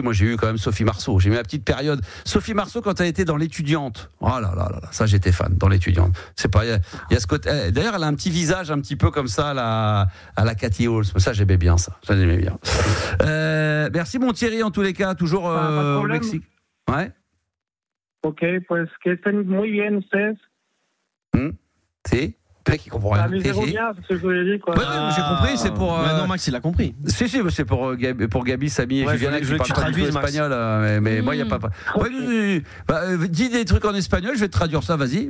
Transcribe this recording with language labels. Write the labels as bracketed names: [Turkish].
[French] Moi, j'ai eu quand même Sophie Marceau. J'ai eu ma petite période. Sophie Marceau, quand elle était dans l'étudiante. Oh là là là là, ça, j'étais fan, dans l'étudiante. C'est pas... Y a ce côté... D'ailleurs, elle a un petit visage un petit peu comme ça, à la Cathy Holmes. Ça, j'aimais bien ça. Ça, j'aimais bien. Merci, mon Thierry, en tous les cas, toujours au Mexique. Ouais. [Spanish] Ok, pues que estén muy bien ustedes. [French] Si. Le mec, il comprend rien. Amusez-vous bien, c'est ce que je vous ai dit. Ouais, j'ai compris, c'est pour. Non, Max, il a compris. Si, c'est pour Gabi, Samy et Juliana qui parlent un petit peu espagnol. Mais moi, il n'y a pas. Ouais, dis des trucs en espagnol, je vais te traduire ça, vas-y.